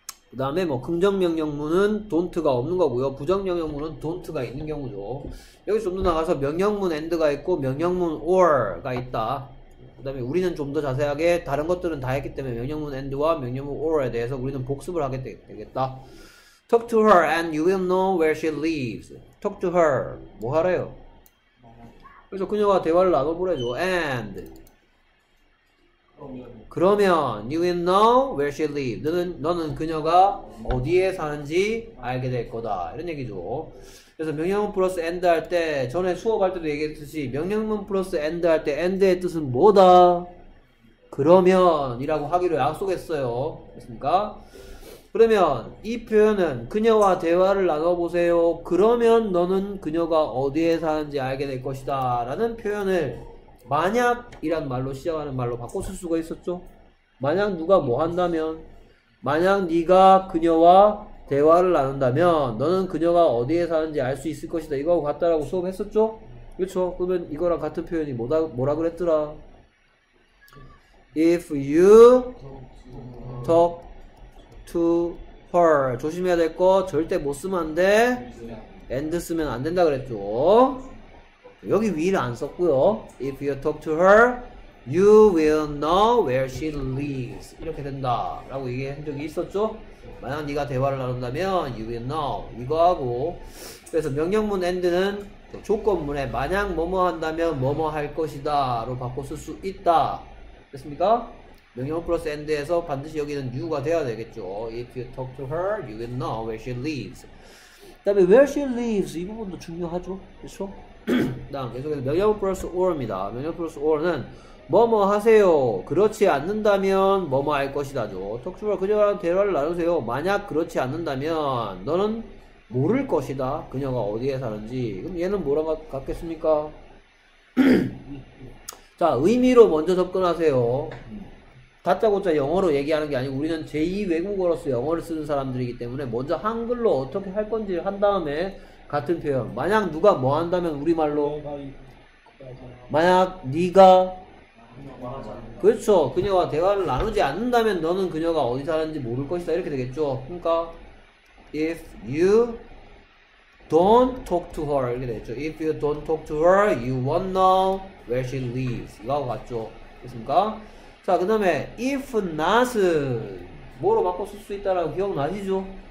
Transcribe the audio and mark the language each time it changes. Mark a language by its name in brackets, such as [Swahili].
[Korean] 그 다음에 뭐 긍정명령문은 don't가 없는 거고요. 부정명령문은 don't가 있는 경우죠. 여기서 좀 더 나가서 명령문 and가 있고 명령문 or가 있다. 그 다음에 우리는 좀 더 자세하게 다른 것들은 다 했기 때문에 명령문 and와 명령문 or에 대해서 우리는 복습을 하게 되겠다. [English] talk to her and you will know where she lives. talk to her. [Korean] 뭐 하래요? 그래서 그녀와 대화를 나눠보래죠. [English] and 그러면 you will know where she lives. [Korean] 너는 그녀가 어디에 사는지 알게 될 거다. 이런 얘기죠. 그래서 명령문 플러스 and 할 때 전에 수업할 때도 얘기했듯이 명령문 플러스 and 할 때 and의 뜻은 뭐다? 그러면 이라고 하기로 약속했어요. 됐습니까? 그러면 이 표현은 그녀와 대화를 나눠보세요. 그러면 너는 그녀가 어디에 사는지 알게 될 것이다 라는 표현을 만약 이란 말로 시작하는 말로 바꿔 쓸 수가 있었죠. 만약 누가 뭐 한다면, 만약 네가 그녀와 대화를 나눈다면 너는 그녀가 어디에 사는지 알 수 있을 것이다 이거하고 같다라고 수업했었죠. 그렇죠? 그러면 이거랑 같은 표현이 뭐라 그랬더라? [English] If you talk to her. [Korean] 조심해야 될 거 절대 못 쓰면 안 돼. and 쓰면 안 된다 그랬죠. 여기 will 안 썼고요. [English] If you talk to her, you will know where she lives. [Korean] 이렇게 된다 라고 얘기한 적이 있었죠. 만약 네가 대화를 나눈다면 [English] you will know [Korean] 이거하고, 그래서 명령문 and는 조건문에 만약 뭐뭐 한다면 뭐뭐 할 것이다 로 바꿔 쓸 수 있다 됐습니까? 명령어 플러스 and에서 반드시 여기는 you가 되어야 되겠죠. [English] If you talk to her, you will know where she lives. [Korean] 다음에 where she lives 이 부분도 중요하죠. 그렇죠? 다음 계속해서 명령어 플러스 or입니다. 명령어 플러스 or는 뭐뭐 하세요. 그렇지 않는다면 뭐뭐 할 것이다죠. [English] Talk to her, [Korean] 그녀랑 대화를 나누세요. 만약 그렇지 않는다면 너는 모를 것이다. 그녀가 어디에 사는지. 그럼 얘는 뭐라고 같겠습니까? 자, 의미로 먼저 접근하세요. 다짜고짜 영어로 얘기하는 게 아니고 우리는 제2외국어로서 영어를 쓰는 사람들이기 때문에 먼저 한글로 어떻게 할 건지 한 다음에 같은 표현. 만약 누가 뭐 한다면 우리말로 만약 네가 그렇죠. 그녀와 대화를 나누지 않는다면 너는 그녀가 어디 사는지 모를 것이다. 이렇게 되겠죠. 그러니까 [English] If you don't talk to her 이렇게 되겠죠. If you don't talk to her, you won't know where she lives. [Korean] 이거 같죠. 됐습니까? 자, 그 다음에 If not은 뭐로 바꿔 쓸 수 있다라고 기억나시죠?